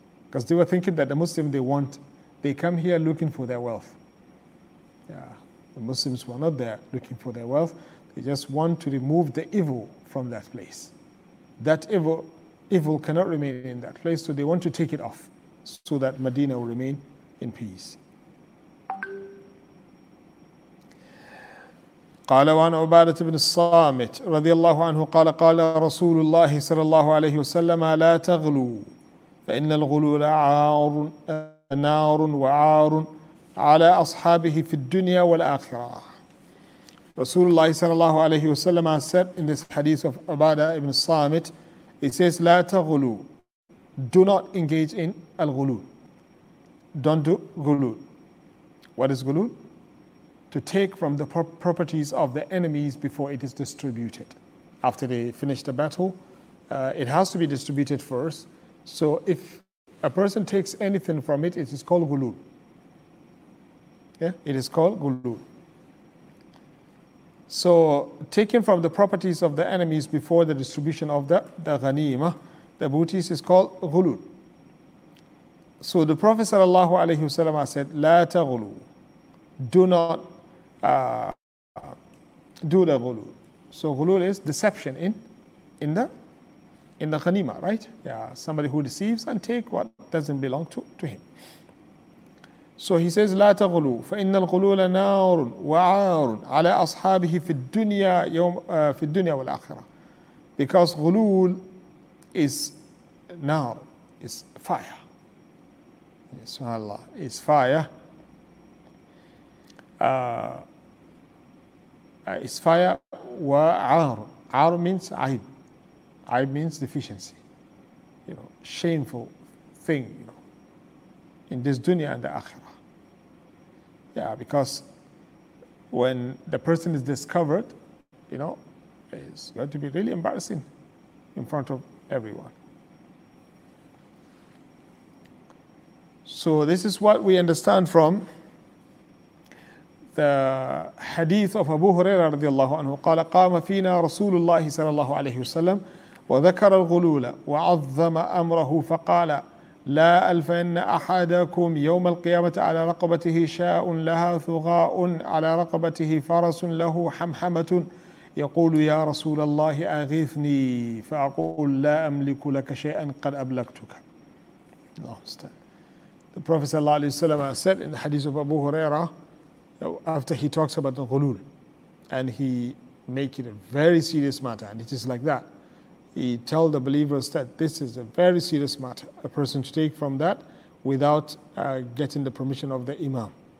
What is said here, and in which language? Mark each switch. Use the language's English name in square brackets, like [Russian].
[English] Because they were thinking that the Muslims, they come here looking for their wealth. Yeah. The Muslims were not there looking for their wealth. They just want to remove the evil from that place. That evil cannot remain in that place, so they want to take it off so that Medina will remain in peace. [Arabic] قال وعن عبادة بن الصامت رضي الله عنه قال قال رسول الله صلى الله عليه وسلم لا تغلو فإن الغلو عار نار وعار على أصحابه في الدنيا والآخرة. رسول الله صلى الله عليه وسلم [English] said in this hadith of عبادة بن الصامت, it says [Arabic] لا تغلو, [English] do not engage in الغلو, don't do غلو. What is غلو? To take from the properties of the enemies before it is distributed. After they finish the battle, it has to be distributed first. So if a person takes anything from it, it is called gulul. Yeah, it is called gulul. So taking from the properties of the enemies before the distribution of the ghanima, the booties, is called gulul. So the Prophet sallallahu alayhi wa sallam said, [Arabic] la taghulu, [English] do not do the ghulul. So ghulul is deception in the ghanima, right? Yeah, somebody who deceives and take what doesn't belong to him. So he says, [Arabic] لا تغلو فإن الغلول نار وعار على أصحابه في الدنيا يوم في الدنيا والآخرة. [English] Because ghulul is nar, is fire. Subhanallah, is fire. Is fire wa aar. Aar means aib. Aib means deficiency. You know, shameful thing, you know, in this dunya and the akhirah. Yeah, because when the person is discovered, you know, it's going to be really embarrassing in front of everyone. So this is what we understand from the hadith of Abu Huraira radiallahu anhu, [Arabic] قال قام فينا رسول الله صلى الله عليه وسلم وذكر الغلول وعظم أمره فقال لا ألفن أحدكم يوم القيامة على رقبته شاء لها ثغاء على رقبته فرس له حمحمة يقول يا رسول الله أغيثني فأقول لا أملك لك شيئا قد أبلغتك. [English] The Prophet [Arabic] صلى الله عليه وسلم [English] said in the hadith of Abu Huraira, after he talks about the ghulul, and he make it a very serious matter, and it is like that. He tell the believers that this is a very serious matter, a person to take from that without getting the permission of the imam.